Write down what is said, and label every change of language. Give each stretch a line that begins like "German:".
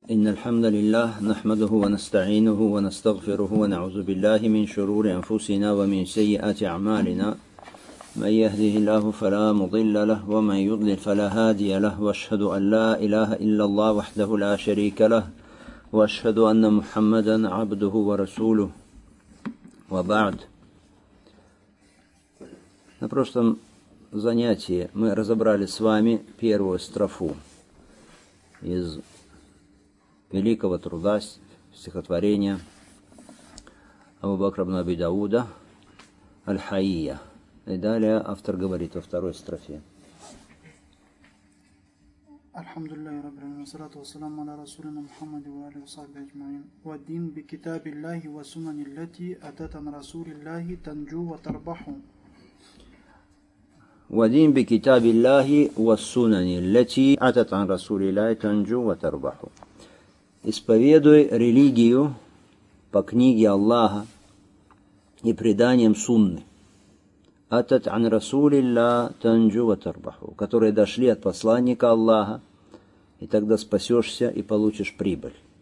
Arabic: إن الحمد لله نحمده ونستعينه ونستغفره ونعوذ بالله من شرور أنفسنا ومن سيئات أعمالنا من يهده الله فلا مضل له ومن يضلل فلا هادي له وأشهد أن لا إله إلا الله وحده لا شريك له وأشهد أن محمدا عبده ورسوله وبعد.
Russian: На прошлом занятии мы разобрали с вами первую строфу из великого труда стихотворения Абу Бакра ибн Аби Дауда «Аль-Хайя». И далее автор говорит во второй строфе.
Arabic: الحمد لله رب العالمين والصلاة والسلام على رسولنا محمد وعلى وصحبه أجمعين والدين بكتاب الله وسنن التي أتت عن رسول الله تنجو وتربح والدين بكتاب الله وسنن التي أتت عن رسول الله تنجو وتربح
Russian: исповедуй религию по книге Аллаха и преданиям сунны
Arabic: أتت عن رسول الله تنجو وتربح
Russian: которые дошли от посланника Аллаха и тогда спасешься и получишь прибыль.